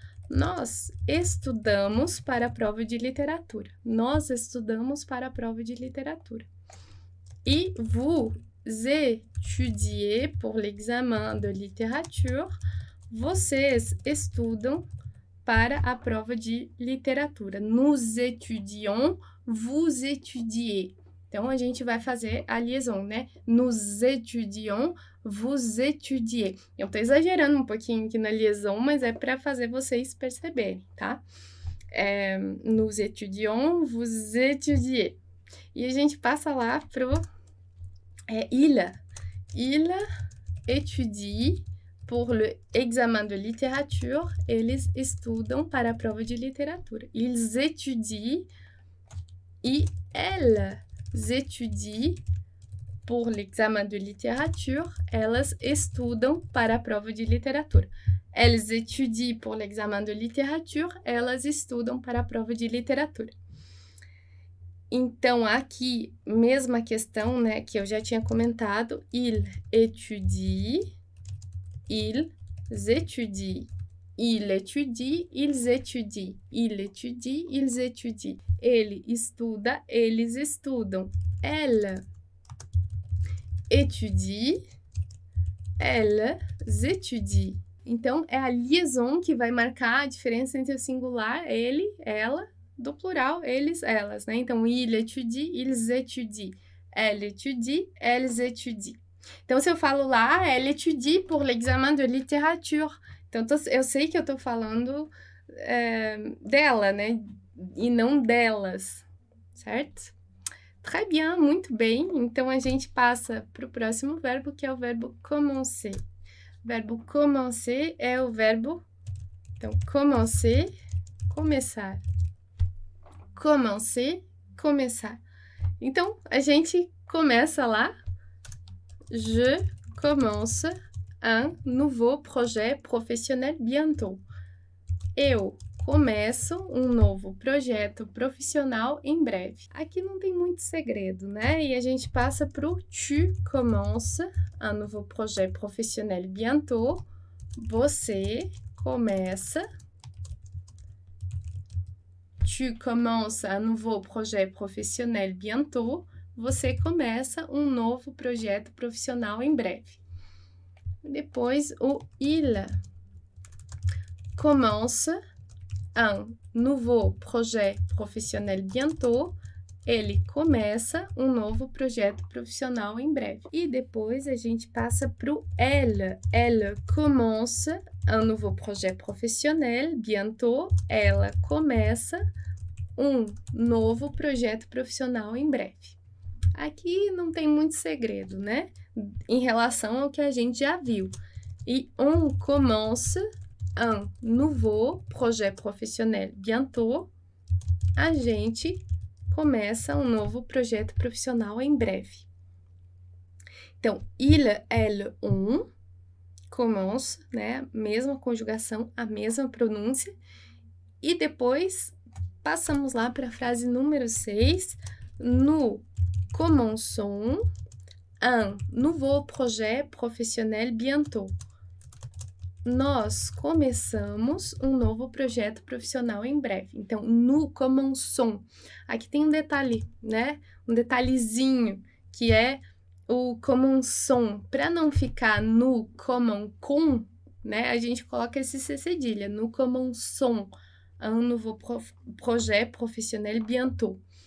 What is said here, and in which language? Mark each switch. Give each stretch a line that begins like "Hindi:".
Portuguese: Nós estudamos para a prova de literatura. Nós estudamos para a prova de literatura.
French: E vous étudiez pour l'examen de littérature.
Portuguese: Vocês estudam para a prova de literatura.
French: Nous étudions, vous étudiez.
Portuguese: Então, a gente vai fazer a liaison, né?
French: Nous étudions, vous étudiez.
Portuguese: Eu tô exagerando um pouquinho aqui na liaison, mas é para fazer vocês perceberem, tá? É,
French: nous étudions, vous étudiez.
Portuguese: E a gente passa lá pro ilha.
French: Ilha étudie pour le examen de littérature.
Portuguese: Eles estudam para a prova de literatura.
French: Ils étudient e elles étudient pour l'examen de littérature.
Portuguese: Elas estudam para a prova de literatura.
French: Elles étudient pour l'examen de littérature.
Portuguese: Elas estudam para a prova de literatura. Então, aqui, mesma questão, né, que eu já tinha comentado.
French: Il étudie, ils étudient. Il étudie, ils étudient. Il étudie, ils étudient.
Portuguese: Ele estuda, eles estudam.
French: Elle étudie, elles étudient.
Portuguese: Então, é a liaison que vai marcar a diferença entre o singular, ele, ela, do plural, eles, elas, né?
French: Então, il étudie, ils étudient. Elle étudie, elles étudient.
Portuguese: Então, se eu falo lá,
French: elle étudie pour l'examen de littérature.
Portuguese: Então, eu sei que eu tô falando dela, né? E não delas, certo?
French: Très bien,
Portuguese: muito bem. Então, a gente passa para o próximo verbo, que é o verbo commencer. Verbo commencer é o verbo, então, commencer, começar. Commencer, começar. Então, a gente começa lá.
French: Je commence un nouveau projet professionnel bientôt.
Portuguese: Eu começo um novo projeto profissional em breve. Aqui não tem muito segredo, né? E a gente passa para o
French: tu commences un nouveau projet professionnel bientôt.
Portuguese: Você começa.
French: Tu commences un nouveau projet professionnel bientôt.
Portuguese: Você começa um novo projeto profissional em breve. Depois o
French: il commence un nouveau projet professionnel bientôt.
Portuguese: Ele começa um novo projeto profissional em breve. E depois a gente passa para o elle.
French: Elle commence un nouveau projet professionnel bientôt.
Portuguese: Ela começa um novo projeto profissional em breve. Aqui não tem muito segredo, né? Em relação ao que a gente já viu.
French: E on commence un nouveau projet professionnel bientôt.
Portuguese: A gente começa um novo projeto profissional em breve. Então,
French: il, elle, on, commence,
Portuguese: né? Mesma conjugação, a mesma pronúncia. E depois passamos lá para a frase número 6.
French: Nous commençons un nouveau projet professionnel bientôt.
Portuguese: Nós começamos um novo projeto profissional em breve. Então,
French: nous commençons.
Portuguese: Aqui tem um detalhe, né? Um detalhezinho, que é o commençons. Para não ficar
French: nous commençons,
Portuguese: né? A gente coloca esse C cedilha.
French: Nous commençons un nouveau projet professionnel bientôt.